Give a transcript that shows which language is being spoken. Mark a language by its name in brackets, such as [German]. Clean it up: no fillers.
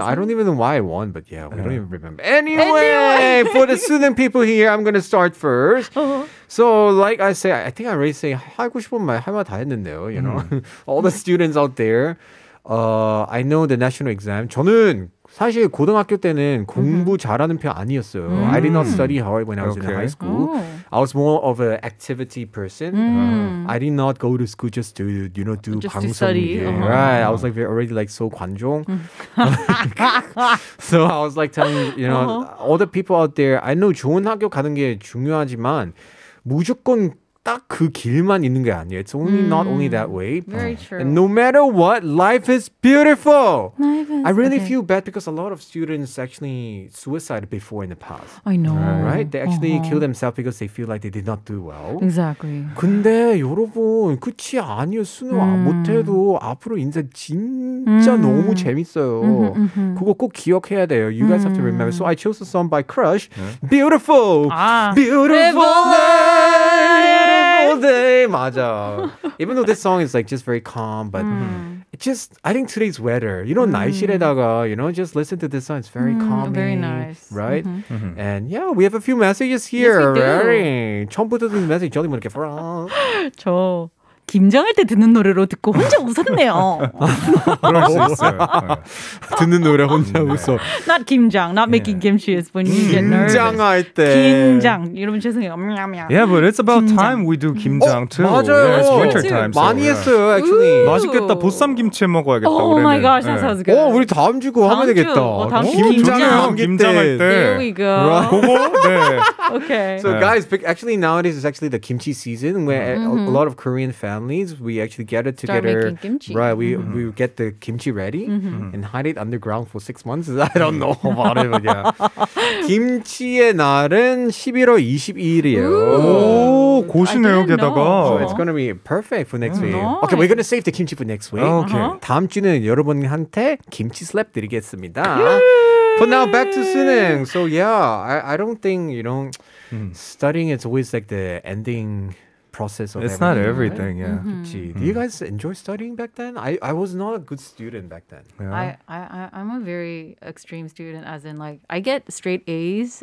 [English] I don't even know why I won, but yeah, we don't even remember. Anyway, for the student people here, I'm going to start first. So, like I say, I think I already say [Korean] 하고 싶은 말 할 말 다 했는데요. [English] You know, all the students out there, I know the national exam. [Korean] 저는 사실 고등학교 때는 공부 잘하는 편 아니었어요. [English] I did not study hard when I was in high school. I was more of an activity person. I did not go to school just to, you know, do just [Korean] 방송. [English] To study. Uh-huh. Right. I was like already like so 관종. So I was like telling, you know, all the people out there, I know [Korean] 좋은 학교 가는 게 중요하지만 무조건 딱 그 길만 있는 게 아니에요. [English] It's only not only that way. Very true. And no matter what, life is beautiful. I really feel bad because a lot of students actually suicided before in the past. I know. Right? They actually kill themselves because they feel like they did not do well. Exactly. [Korean] 근데 여러분, 끝이 아니에요. 수능 못해도 앞으로 인생 진짜 너무 재밌어요. 그거 꼭 기억해야 돼요. [English] You guys have to remember. So I chose a song by Crush. Yeah. Beautiful. Beautiful life. Day, [Korean] 맞아. [English] Even though this song is like just very calm, but it just I think today's weather, you know, [Korean] 날씨에다가, [English] you know, just listen to this song. It's very calming, very nice, right? And yeah, we have a few messages here. Yes, we do. Right? [Korean] 처음부터 듣는 메시지 저리 모르게 풀어. 저 김장할 때 듣는 노래로 듣고 혼자 웃었네요. 그럴 수 있어요. 듣는 노래 혼자 웃어. [English] Not 김장, not making kimchi is when you get nervous. [Korean] 김장할 때. 김장. 여러분 죄송해요. [English] Yeah, but it's about 김장. Time we do 김장 too. [Korean] 맞아요. [English] Yeah, it's winter time. So [Korean] 많이 했어요, [English] actually. [Korean] 맛있겠다. 보쌈 김치 먹어야겠다. [English] Oh my gosh, that sounds good. [Korean] 오, 우리 다음 주고 하면 되겠다. 다음 주 김장. 김장할 때. [English] Here we go. [Korean] 그거? 네. [English] Okay. So guys, actually nowadays is actually the kimchi season where a lot of Korean fans families, we actually get it together. Start making kimchi. Right, we get the kimchi ready and hide it underground for 6 months. I don't know about it, but yeah. [Korean] 김치의 날은 11월 22일이에요. 오, 고시네요, 게다가. [English] So it's going to be perfect for next week. Nice. Okay, we're going to save the kimchi for next week. Okay. Uh-huh. [Korean] 다음 주는 여러분한테 김치 슬랩 드리겠습니다. [English] But now back to 수능. So yeah, I don't think, you know, studying is always like the ending process of it's everything, not everything, right? Yeah. Do you guys enjoy studying back then? I was not a good student back then. Yeah. I'm a very extreme student, as in like I get straight A's.